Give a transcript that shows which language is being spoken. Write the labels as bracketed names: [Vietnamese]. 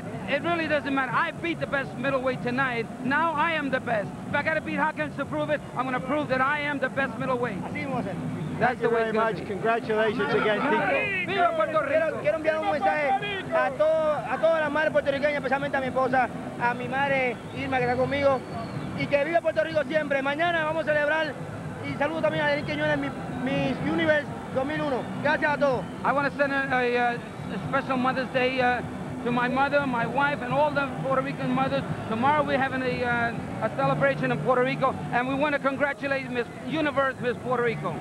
[English] It really doesn't matter. I beat the best middleweight tonight. Now I am the best. If I got to beat Hopkins to prove it, I'm going to prove that I am the best middleweight. [Spanish] Así mismo va a ser. [English] Thank you very much. Congratulations again, Tito. [Spanish] Viva Puerto Rico. Quiero enviar un mensaje a todas las madres puertorriqueñas, especialmente a mi esposa, a mi madre Irma, que está conmigo, y que viva Puerto Rico siempre. Mañana vamos a celebrar, y saludo también a Denis Quiñones, Miss Universe 2001. Gracias a todos. [English] I want to send a special Mother's Day to my mother, my wife, and all the Puerto Rican mothers. Tomorrow we're having a celebration in Puerto Rico, and we want to congratulate Miss Universe, Miss Puerto Rico.